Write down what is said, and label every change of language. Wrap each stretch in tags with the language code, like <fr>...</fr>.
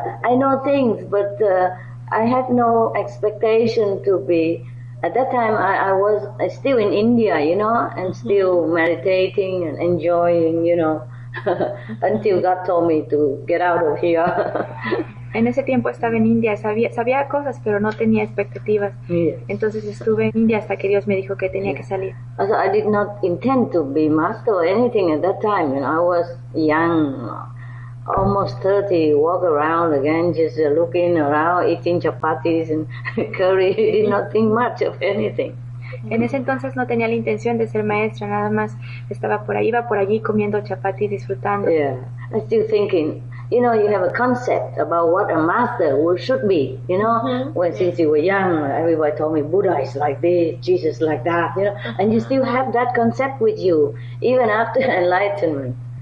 <en>I know things, but I had no expectation to be. At that time, I was still in India, you know, and still meditating and enjoying, you know, until God told me to get out of here.</en> <es>En ese tiempo estaba en India, sabía cosas, pero no tenía expectativas.</es> <en>Yes.</en> <es>Entonces estuve en India hasta que Dios me dijo que tenía que salir.</es> <en>So I did not intend to be master or anything at that time. You know, I was young, almost 30, walk around again, just looking around, eating chapatis and curry, did not think much of anything.</en> <es>En ese entonces no tenía la intención de ser maestra, nada más estaba por ahí, iba por allí comiendo chapati, disfrutando.</es> <en>Yeah, I'm still thinking, you know, you have a concept about what a master should be, you know. Mm-hmm. When since you were young, everybody told me Buddha is like this, Jesus like that, you know. And you still have that concept with you, even after enlightenment.</en>